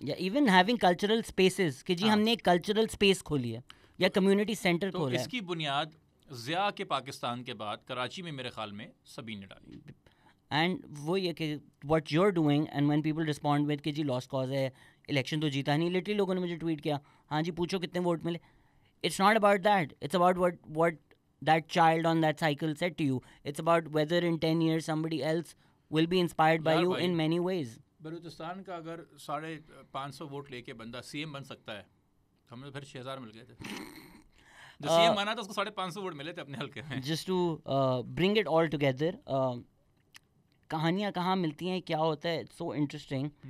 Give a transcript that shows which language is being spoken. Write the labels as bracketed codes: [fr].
[ur] یا even having cultural spaces, کہ جی ہم نے ایک کلچرل اسپیس کھولی ہے یا کمیونٹی سینٹر کھولا ہے. اس کی بنیاد ضیاء کے پاکستان کے بعد کراچی میں میرے خیال میں سبھی نے ڈالی. اینڈ وہ یہ کہ what you are doing, and when people respond with کہ جی لاس کاز ہے, الیکشن تو جیتا نہیں, لٹرلی لوگوں نے مجھے ٹویٹ کیا ہاں جی پوچھو کتنے ووٹ ملے. [en] It's not about that. It's about what that child on that cycle said to you. It's about whether in 10 years somebody else will be inspired by you in many ways. [ur] Balochistan کا اگر 550 vote لے کے بندہ C M بن سکتا ہے, ہمیں پھر 6000 مل گئے تھے. جو سی ایم بنا تھا اس کو 550 ووٹ ملے تھے اپنے حلقے میں. [en] Just to bring it all together, [ur] کہانیاں کہاں ملتی ہیں, کیا ہوتا ہے, [en] it's so interesting.